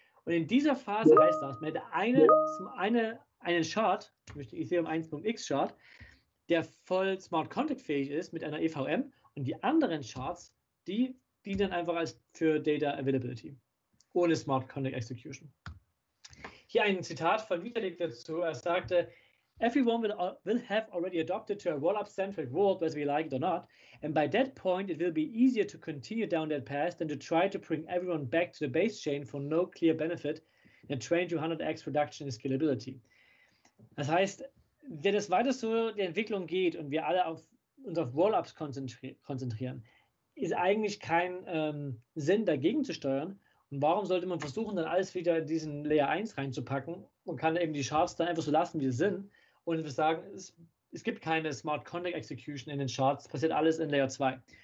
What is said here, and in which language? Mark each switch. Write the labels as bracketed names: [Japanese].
[German] Und in dieser Phase heißt das, man hätte einen Shard, nämlich den Ethereum 1.x Shard, der voll Smart Contract fähig ist mit einer EVM. Und die anderen Shards, die dienen dann einfach als für Data Availability ohne Smart Contract Execution. Hier ein Zitat von Vitalik dazu. Er sagte, [English] Everyone will have already adopted to a roll-up centric world, whether we like it or not, and by that point it will be easier to continue down that path than to try to bring everyone back to the base chain for no clear benefit in a 20-100x reduction in scalability. [German] Das heißt, wenn es weiter so die Entwicklung geht und wir alle auf uns auf Roll-ups konzentrieren, ist eigentlich kein Sinn, dagegen zu steuern. Und warum sollte man versuchen, dann alles wieder in diesen Layer 1 reinzupacken und kann eben die Shards dann einfach so lassen, wie sie sind und sagen, es gibt keine Smart Contract Execution in den Shards, passiert alles in Layer 2.